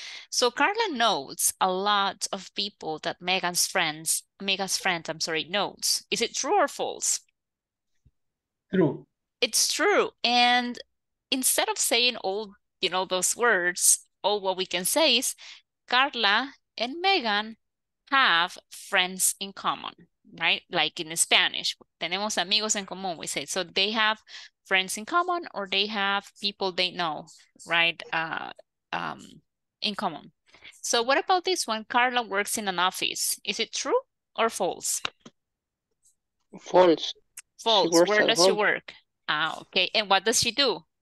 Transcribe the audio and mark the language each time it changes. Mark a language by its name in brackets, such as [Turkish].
[English] So Carla notes a lot of people that Megan's friend notes. Is it true or false? True. It's true. And instead of saying all, you know, those words, all what we can say is Carla and Megan have friends in common, right? Like in Spanish, [Spanish] tenemos amigos en común, [English] we say. So they have friends in common, or they have people they know, right? In common. So what about this one? Carla works in an office. Is it true or false? False. False. Where does she work? Ah, okay. And what does she do?